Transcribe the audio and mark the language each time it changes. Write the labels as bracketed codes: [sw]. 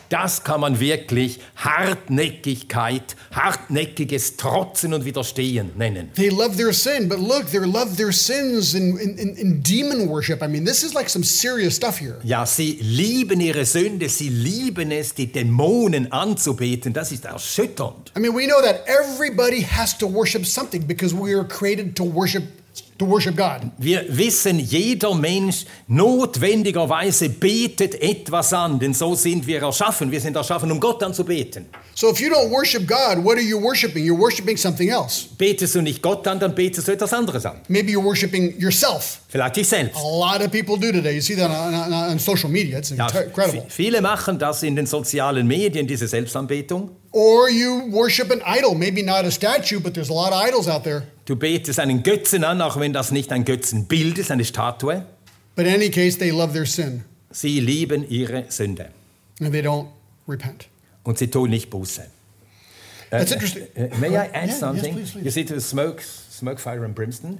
[de] Das kann man wirklich Hartnäckigkeit, hartnäckiges Trotzen und Widerstehen nennen. [en] They love their sin, but look, they love their sins in demon worship. I mean, this is like some serious stuff here. [de] Ja, sie lieben ihre Sünde, sie lieben es, die Dämonen anzubeten. Das ist erschütternd. [en] I mean, we know that everybody has to worship something because we are created to worship. To worship God. [de] Wir wissen, jeder Mensch notwendigerweise betet etwas an, denn so sind wir erschaffen. Wir sind erschaffen, um Gott anzubeten. [en] So if you don't worship God, what are you worshiping? You're worshiping something else. [de] Betest du nicht Gott an, dann betest du etwas anderes an. [en] Maybe you're worshiping yourself. [de] Vielleicht dich selbst. [en] A lot of people do today. You see that on social media. It's incredible. [de] Ja, viele machen das in den sozialen Medien, diese Selbstanbetung. [en] Or you worship an idol. Maybe not a statue, but there's a lot of idols out there. [de] Du betest einen Götzen an, auch wenn das nicht ein Götzenbild ist, eine Statue. [en] But in any case, they love their sin. [de] Sie lieben ihre Sünde. [en] And they don't repent. [de] Und sie tun nicht Buße. [en] That's interesting. May I add something? Yes, please, please. You see the smoke, fire and brimstone?